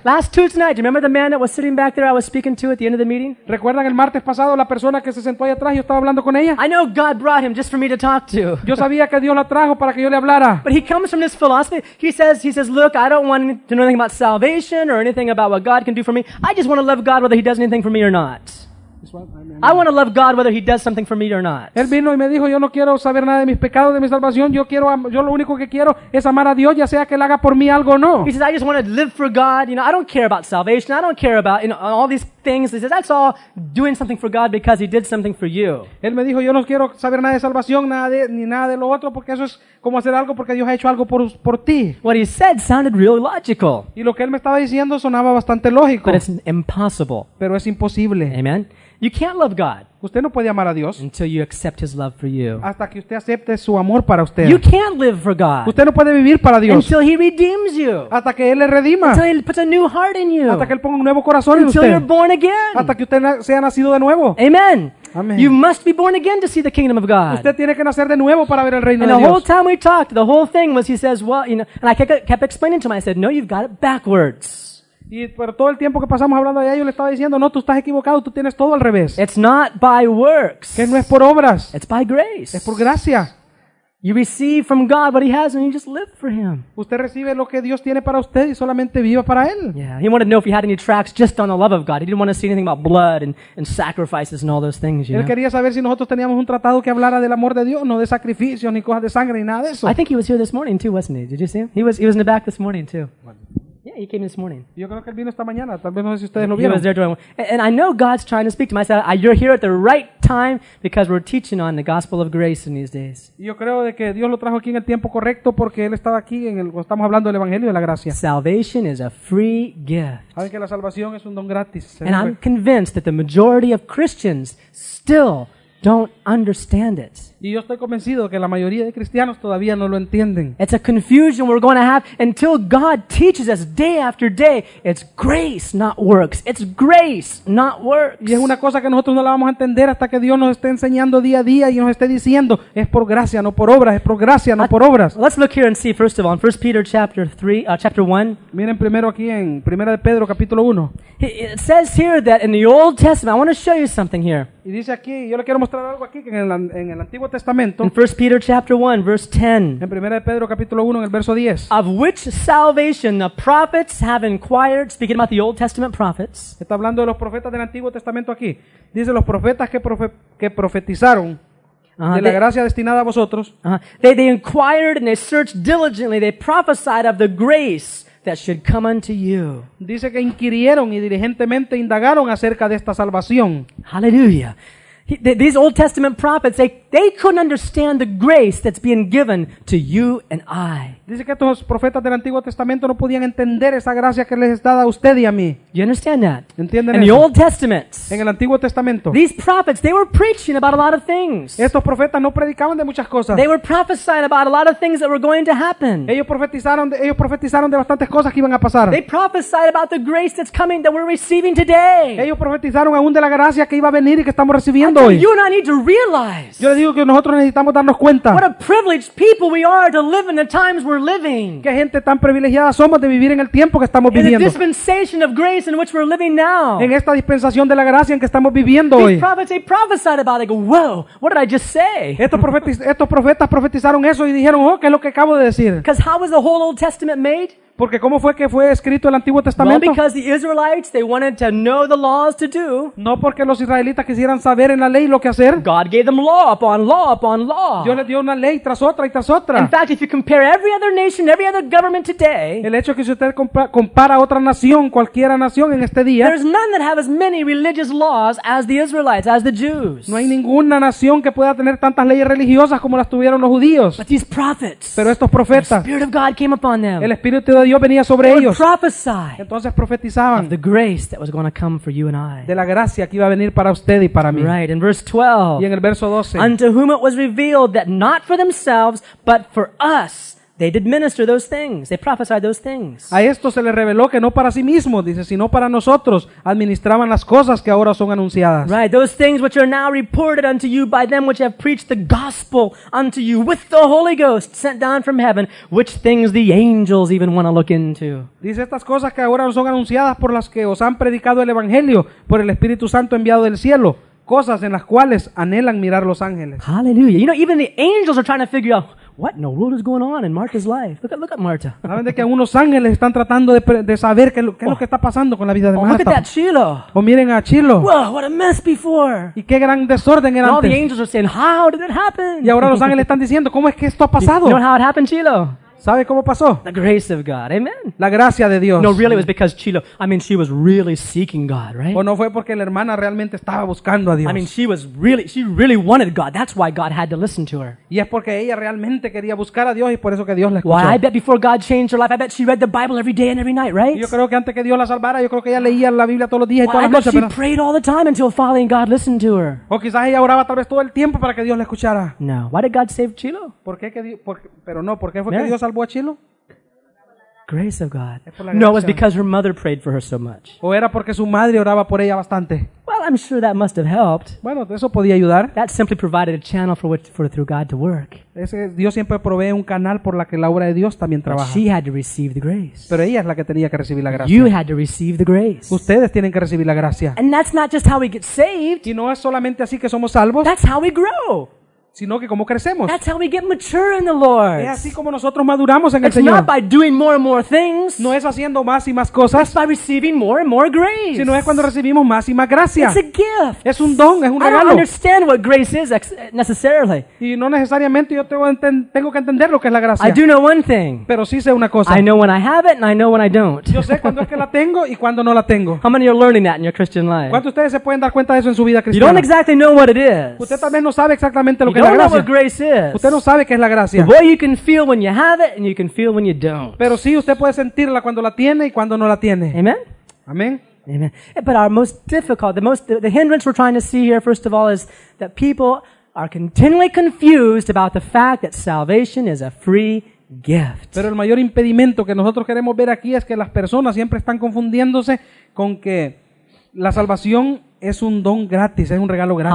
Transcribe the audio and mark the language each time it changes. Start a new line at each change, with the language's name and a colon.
English: Last Tuesday night, remember the man that was sitting back there I was speaking to at the end of the meeting?
Spanish: ¿Recuerdan el martes pasado la persona que se sentó ahí atrás y yo estaba hablando con ella?
English: I know God brought him just for me to talk to.
Spanish: Yo sabía que Dios la trajo para que yo le hablara.
English: But he comes from this philosophy. He says, "Look, I don't want to know anything about salvation or anything about what God can do for me. I just want to love God whether he does anything for me or not." I want to love God whether he does something for me or not.
Spanish: Él vino y me dijo, yo no quiero saber nada de mis pecados, de mi salvación, yo lo único que quiero es amar a Dios, ya sea que él haga por mí algo o no.
English: He says, I just want to live for God, you know, I don't care about salvation, I don't care about, you know, all these things. He says, that's all doing something for God because he did something for you.
Spanish: Él me dijo, yo no quiero saber nada de salvación, nada de lo otro, porque eso es como hacer algo porque Dios ha hecho algo por ti.
English: What he said sounded really logical.
Spanish: Y lo que él me estaba diciendo sonaba bastante lógico.
English: But it's impossible.
Spanish: Pero es imposible.
English: Amen. You can't love God.
Spanish: Usted no puede amar a Dios
English: until you accept his love for you.
Spanish: Hasta que usted acepte su amor para usted.
English: You can't live for God.
Spanish: Usted no puede vivir para Dios.
English: Until he redeems you.
Spanish: Hasta que él le redima.
English: Until he puts a new heart in you.
Spanish: Hasta que él ponga un nuevo corazón
English: until
Spanish: en usted.
English: Until you're born again.
Spanish: Hasta que usted sea nacido de nuevo. Amen. Amen.
English: You must be born again to see the kingdom of God.
Spanish: Usted tiene que nacer de nuevo para ver el reino
English: and
Spanish: de
English: the
Spanish: Dios.
English: Whole time we talked, the whole thing was he says, well, you know, and I kept explaining to him. I said, no, you've got it backwards.
Spanish: Y por todo el tiempo que pasamos hablando allá, yo le estaba diciendo, no, tú estás equivocado, tú tienes todo al revés.
English: It's not by works.
Spanish: Que no es por obras.
English: It's by grace.
Spanish: Es por gracia.
English: You receive from God what he has and you just live for him.
Spanish: Usted recibe lo que Dios tiene para usted y solamente viva para él.
English: Yeah, he wanted to know if he had any tracks just on the love of God. He didn't want to see anything about blood and sacrifices and all those things, you
Spanish: él
English: know.
Spanish: Quería saber si nosotros teníamos un tratado que hablara del amor de Dios, no de sacrificios ni cosas de sangre ni nada de eso.
English: I think he was here this morning too, wasn't he? Did you see him? He was in the back this morning too. Yeah, he came this morning.
Spanish: Yo creo que él vino esta mañana. Tal vez no sé si ustedes lo vieron.
English: He was there doing. And I know God's trying to speak to me. I said, "You're here at the right time because we're teaching on the gospel of grace in these days."
Spanish: Yo creo de que Dios lo trajo aquí en el tiempo correcto porque él estaba aquí en el. Estamos hablando del evangelio de la gracia.
English: Salvation is a free gift.
Spanish: Saben que la salvación es un don gratis.
English: And I'm convinced that the majority of Christians still don't understand it.
Spanish: Y yo estoy convencido que la mayoría de cristianos todavía no lo entienden.
English: It's a confusion we're going to have until God teaches us day after day. It's grace, not works. It's grace, not works.
Spanish: Y es una cosa que nosotros no la vamos a entender hasta que Dios nos esté enseñando día a día y nos esté diciendo es por gracia, no por obras. Es por gracia, no por obras.
English: Let's look here and see first of all in 1 Peter chapter 3, chapter 1.
Spanish: Miren primero aquí en Primera de Pedro capítulo 1.
English: It says here that in the Old Testament, I want to show you something here.
Spanish: Y dice aquí, yo le quiero mostrar algo aquí que en el Antiguo Testamento.
English: In 1 Peter chapter 1, verse 10.
Spanish: En Primera de Pedro capítulo 1, en el verso 10.
English: Of which salvation the prophets have inquired, speaking about the Old Testament prophets.
Spanish: Está hablando de los profetas del Antiguo Testamento aquí. Dice los profetas que profetizaron de la gracia destinada a vosotros.
English: They inquired and they searched diligently. They prophesied of the grace that should come unto you.
Spanish: Dice que inquirieron y diligentemente indagaron acerca de esta salvación. Hallelujah.
English: These Old Testament prophets, they couldn't understand the grace that's being given to you and I.
Spanish: Dice que estos profetas del Antiguo Testamento no podían entender esa gracia que les es dada a usted y a mí.
English: You understand that?
Spanish: ¿Entienden
English: in
Spanish: eso?
English: The Old Testament.
Spanish: En el Antiguo Testamento.
English: These prophets, they were preaching about a lot of things.
Spanish: Estos profetas no predicaban de muchas cosas.
English: They were prophesying about a lot of things that were going to happen.
Spanish: Ellos profetizaron de bastantes cosas que iban a pasar.
English: They prophesied about the grace that's coming that we're receiving today.
Spanish: Ellos profetizaron aún de la gracia que iba a venir y que estamos recibiendo hoy.
English: You and I need to realize.
Spanish: Yo les digo que nosotros necesitamos darnos cuenta.
English: What a privileged people we are to live in the times we're living.
Spanish: Qué gente tan privilegiada somos de vivir en el tiempo que estamos viviendo.
English: In the dispensation of grace in which we're living now.
Spanish: En esta dispensación de la gracia en que estamos viviendo
English: these
Spanish: hoy.
English: These prophets, they prophesied about it. Whoa, what did I just say?
Spanish: Estos profetas profetizaron eso y dijeron, oh, ¿qué es lo que acabo de decir?
English: Because how was the whole Old Testament made?
Spanish: Porque cómo fue que fue escrito el Antiguo Testamento?
English: Well, because the Israelites, they wanted to know the laws to do.
Spanish: No porque los israelitas quisieran saber en la ley lo que hacer.
English: God gave them law upon law upon law.
Spanish: Dios les dio una ley tras otra y tras otra.
English: In fact, if you compare every other nation, every other government today,
Spanish: el hecho que si usted compara otra nación, cualquiera nación en este día,
English: there's none that have as many religious laws as the Israelites, as the Jews.
Spanish: No hay ninguna nación que pueda tener tantas leyes religiosas como las tuvieron los judíos.
English: But these prophets,
Spanish: pero estos profetas,
English: the Spirit of God came upon them.
Spanish: El Espíritu de Dios venía sobre ellos.
English: Prophesy.
Spanish: Entonces profetizaban.
English: Of the grace that was going to come for you and I.
Spanish: De la gracia que iba a venir para usted y para mí.
English: Right. In verse 12.
Spanish: Y en el verso 12.
English: Unto whom it was revealed that not for themselves but for us they did minister those things. They prophesied those things.
Spanish: A esto se le reveló que no para sí mismo, dice, sino para nosotros administraban las cosas que ahora son anunciadas.
English: Right. Those things which are now reported unto you by them which have preached the gospel unto you with the Holy Ghost sent down from heaven, which things the angels even want to look into.
Spanish: Dice estas cosas que ahora son anunciadas por las que os han predicado el evangelio por el Espíritu Santo enviado del cielo. Cosas en las cuales anhelan mirar los ángeles.
English: Hallelujah. You know, even the angels are trying to figure out what in the world is going on in Martha's life? Look at Martha.
Spanish: Saben de que unos ángeles están tratando de saber qué es lo que está pasando con la vida de Martha.
English: Look at that Chilo.
Spanish: O miren a Chilo.
English: Wow, what a mess before.
Spanish: Y qué gran desorden era antes.
English: All the angels are saying, how did it happen?
Spanish: Y ahora los ángeles están diciendo, ¿cómo es que esto ha pasado?
English: You know how it happened, Chilo?
Spanish: ¿Sabe cómo pasó?
English: The grace of God. Amen.
Spanish: La gracia de Dios.
English: No, really, it was because Chilo, I mean, she was really seeking God, right?
Spanish: O no fue porque la hermana realmente estaba buscando a Dios.
English: I mean, she really wanted God. That's why God had to listen to her.
Spanish: Y es porque ella realmente quería buscar a Dios y por eso que Dios la escuchó.
English: Why? I bet before God changed her life, I bet she read the Bible every day and every night, right?
Spanish: Yo creo que antes que Dios la salvara, yo creo que ella leía la Biblia todos los días y todas las noches.
English: Why? She prayed all the time until finally God listened to her.
Spanish: O quizás ella oraba tal vez todo el tiempo para que Dios la escuchara.
English: No. Why did God save Chilo?
Spanish: ¿Por qué Dios salvó a Chilo?
English: Grace of God. No, it was because her mother prayed for her so much.
Spanish: O era porque su madre oraba por ella bastante.
English: Well, I'm sure that must have helped.
Spanish: Bueno, eso podía ayudar.
English: That simply provided a channel for which, for through God to work.
Spanish: Ese Dios siempre provee un canal por la que la obra de Dios también trabaja.
English: But she had to receive the grace.
Spanish: Pero ella es la que tenía que recibir la gracia.
English: You had to receive the grace.
Spanish: Ustedes tienen que recibir la gracia.
English: And that's not just how we get saved.
Spanish: Y no es solamente así que somos salvos.
English: That's how we grow.
Spanish: Sino que cómo crecemos.
English: That's how we get mature in the Lord.
Spanish: Es así como nosotros maduramos en el Señor.
English: It's not by doing more and more things.
Spanish: No es haciendo más y más cosas.
English: It's by receiving more and more grace.
Spanish: Sino es cuando recibimos más y más gracia.
English: It's a gift.
Spanish: Es un don, es un regalo.
English: I don't understand what grace is necessarily.
Spanish: Y no necesariamente yo tengo que entender lo que es la gracia.
English: I do know one thing.
Spanish: Pero sí sé una cosa.
English: I know when I have it and I know when I don't.
Spanish: Yo sé cuándo es que la tengo y cuándo no la tengo.
English: How many are learning that in your Christian life?
Spanish: ¿Cuántos ustedes se pueden dar cuenta de eso en su vida cristiana?
English: You don't exactly know what it is.
Spanish: Usted tal vez no sabe exactamente lo que.
English: You don't know what grace is.
Spanish: Usted no sabe qué es la gracia.
English: The way you can feel when you have it and you can feel when you don't.
Spanish: Pero sí, usted puede sentirla cuando la tiene y cuando no la tiene. Amen. Amen. Amen.
English: But our most difficult, the hindrance we're trying to see here, first of all, is that people are continually confused about the fact that salvation is a free gift.
Spanish: Pero el mayor impedimento que nosotros queremos ver aquí es que las personas siempre están confundiéndose con que la salvación es un don gratis, es un regalo gratis.